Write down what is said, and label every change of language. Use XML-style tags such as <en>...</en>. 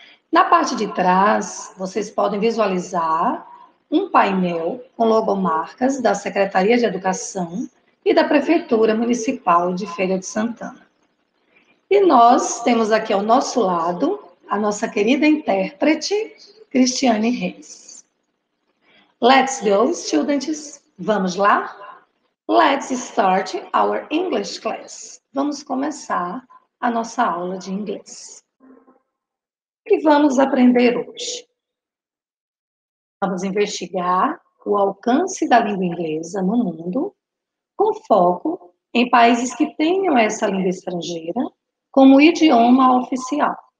<pt>Na parte de trás, vocês podem visualizar um painel com logomarcas da Secretaria de Educação e da Prefeitura Municipal de Feira de Santana. E nós temos aqui ao nosso lado a nossa querida intérprete, Cristiane Reis.</pt> <en>Let's go, students.</en> <pt>Vamos lá?</pt> <en>Let's start our English class.</en> <pt>Vamos começar a nossa aula de inglês. O que vamos aprender hoje? Vamos investigar o alcance da língua inglesa no mundo com foco em países que tenham essa língua estrangeira como idioma oficial.</pt>